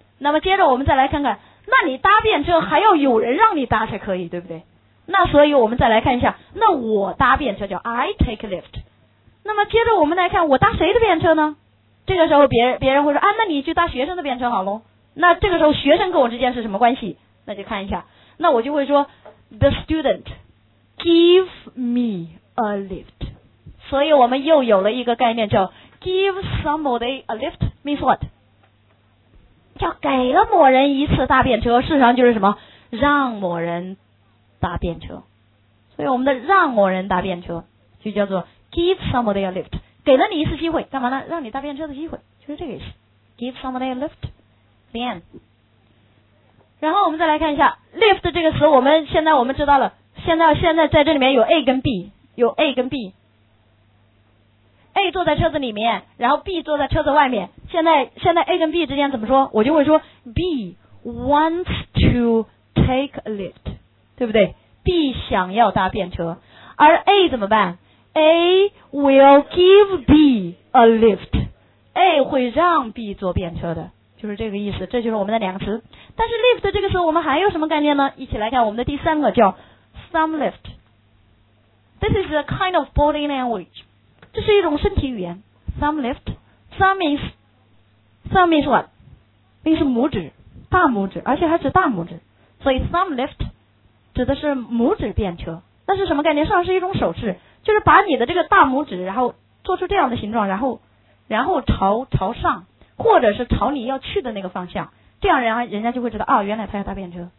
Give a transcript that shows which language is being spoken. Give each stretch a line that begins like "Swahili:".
Chinese: 那么接着我们再来看看，那你搭便车还要有人让你搭才可以，对不对？那所以我们再来看一下，那我搭便车叫
English: I take a lift。
Chinese: 那么接着我们来看，我搭谁的便车呢？这个时候别人会说啊，那你去搭学生的便车好咯。那这个时候学生跟我之间是什么关系？那就看一下，那我就会说
English: The student give me a lift。
Chinese: 所以我们又有了一个概念叫
English: give somebody a lift means what？
Chinese: 叫给了某人一次搭便车，事实上就是什么？让某人搭便车。所以我们的让某人搭便车就叫做
English: give somebody a lift，
Chinese: 给了你一次机会，干嘛呢？让你搭便车的机会，就是这个意思， give somebody a lift。
English: The end。
Chinese: 然后我们再来看一下 lift 这个词，我们现在我们知道了，现在在这里面有 A 跟 B， 有 A 跟 B， A 坐在车子里面，然后 B 坐在车子外面。现在 A 跟 B 之间怎么说？我就会说
English: B wants to take a lift，
Chinese: 对不对？ B 想要搭便车，而 A 怎么办？
English: A will give B a lift，
Chinese: A 会让 B 坐便车的，就是这个意思。这就是我们的两个词。但是 lift 这个词我们还有什么概念呢？一起来看我们的第三个，叫 thumb lift。
English: This is a kind of body language，
Chinese: 这是一种身体语言。
English: thumb lift， thumb means what？
Chinese: 那是拇指，大拇指，而且还指大拇指。所以 thumb lift指的是拇指便车。那是什么概念？上是一种手势，就是把你的这个大拇指然后做出这样的形状，然后朝上或者是朝你要去的那个方向，这样人家就会知道，哦，原来他要搭便车。